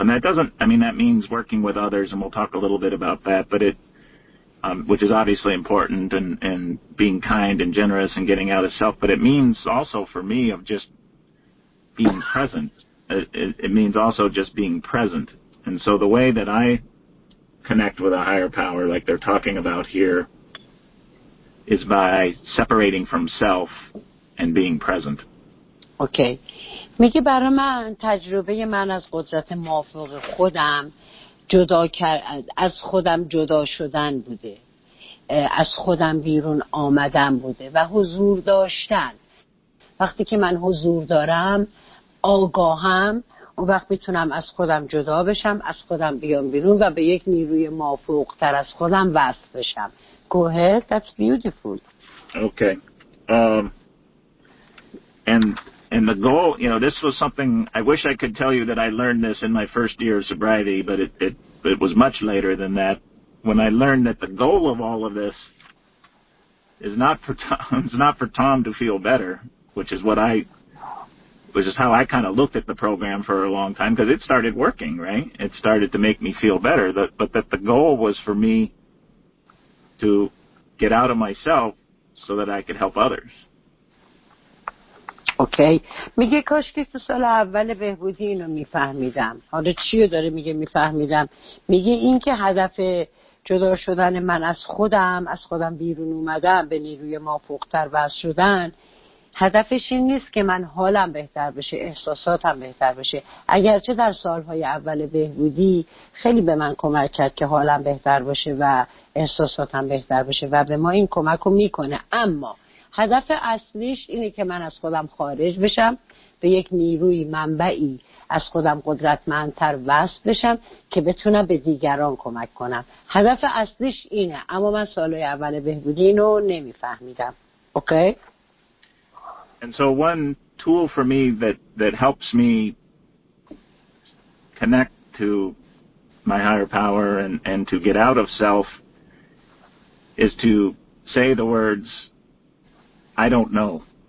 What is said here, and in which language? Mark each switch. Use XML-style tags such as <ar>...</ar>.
<en>And that doesn't, I mean, that means working with others, and we'll talk a little bit about that, but it, which is obviously important, and being kind and generous and getting out of self, but it means also for me of just being present. It means also just being present. And so the way that I connect with a higher power, like they're talking about here, is by separating from self and being present. Okay.</en> <fa>میگه برای من تجربه من از قدرت موافق خودم جدا کردن، از خودم جدا شدن بوده، از خودم بیرون آمدن بوده و حضور داشتن. وقتی که من حضور دارم، آگاهم، اون وقت میتونم از خودم جدا بشم، از خودم بیام بیرون و به یک نیروی موافق تر از خودم وصل بشم.</fa> <en>Go ahead. That's beautiful. Okay. And the goal, you know, this was something I wish I could tell you that I learned this in my first year of sobriety, but it was much later than that when I learned that the goal of all of this is not for Tom, it's not for Tom to feel better, which is how I kind of looked at the program for a long time, because it started working, right? It started to make me feel better, but that the goal was for me to get out of myself so that I could help others. Okay.</en> <fa>میگه کاش که تو سال اول بهبودی اینو میفهمیدم. حالا چیو داره میگه میفهمیدم؟ میگه این که هدف جدا شدن من از خودم بیرون اومدن، به نیروی مافوق‌تر وصل شدن، هدفش این نیست که من حالم بهتر بشه، احساساتم بهتر بشه. اگرچه در سالهای اول بهبودی خیلی به من کمک کرد که حالم بهتر بشه و احساساتم بهتر بشه و به ما این کمک رو میکنه، اما هدف اصلیش اینه که من از خودم خارج بشم، به یک نیروی منبعی از خودم قدرتمندتر وصل بشم که بتونم به دیگران کمک کنم. هدف اصلیش اینه، اما من سالهای اول بهبودی اینو نمیفهمیدم.</fa> <en>Okay? And so one tool for me that helps me connect to my higher power and to get out of self is to say the words, I don't know.</en>